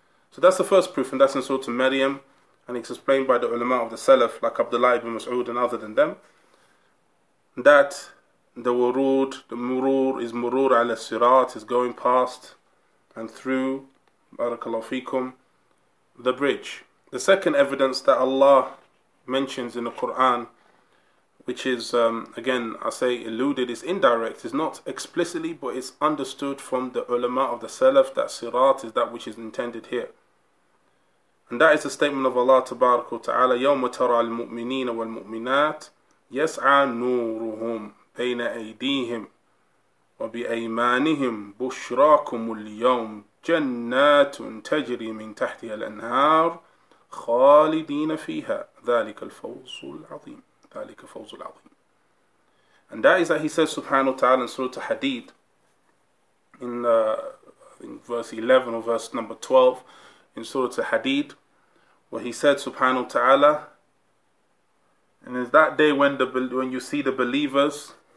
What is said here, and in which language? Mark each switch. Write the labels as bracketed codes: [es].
[en] So that's the first proof, and that's in Surah Maryam, and it's explained by the ulama of the Salaf, like Abdullah ibn Mas'ud and other than them, that the wurud, the murur, is murur ala sirat, is going past and through, barakallahu fikum, the bridge. The second evidence that Allah mentions in the Quran, which is, again, I say alluded, is indirect, is not explicitly, but it's understood from the ulama of the Salaf that sirat is that which is intended here. And that is the statement of Allah [ar] tabaraka wa ta'ala, يَوْمَ تَرَى الْمُؤْمِنِينَ وَالْمُؤْمِنَاتِ يَسْعَى نُورُهُمْ بين أيديهم وبأيمانهم بشراكم اليوم جنات تجري من تحتها الأنهار خالدين فيها ذلك الفوز العظيم ذلك الفوز العظيم. [en] And that is that he says subhanahu wa ta'ala in Surah Hadid in verse 11 or verse number 12 in Surah Hadid, where he said subhanahu wa ta'ala, and is that day when you see the believers